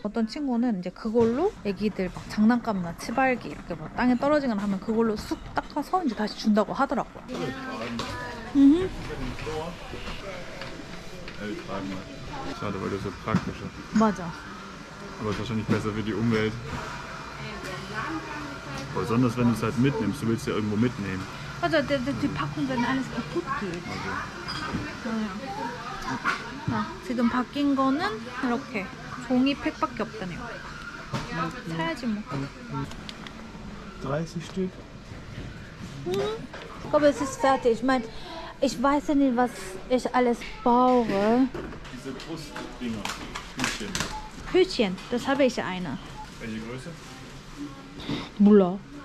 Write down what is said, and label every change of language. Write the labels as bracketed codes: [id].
[ko] 어떤 친구는 이제 그걸로 애기들 막 장난감이나 치발기 이렇게 막 땅에 떨어진 걸 하면 그걸로 쑥 닦아서 이제 다시 준다고 하더라고요. 차라리 말도 좀 praktisch. 맞아. [de] Aber ist wahrscheinlich besser für die Umwelt. Besonders wenn du es halt mitnimmst, du willst ja irgendwo mitnehmen. Also die Packung, wenn alles kaputt geht. Also. Ja, ja. [ko] 지금 바뀐 거는 이렇게 종이팩밖에 없다네요. 사야지 뭐. [de] 30 Stück. Ich glaube, es ist fertig. Ich meine, ich weiß ja nicht, was ich alles brauche. Diese Brustdinger. Hütchen. Hütchen, das habe ich eine. Welche Größe? Mulla.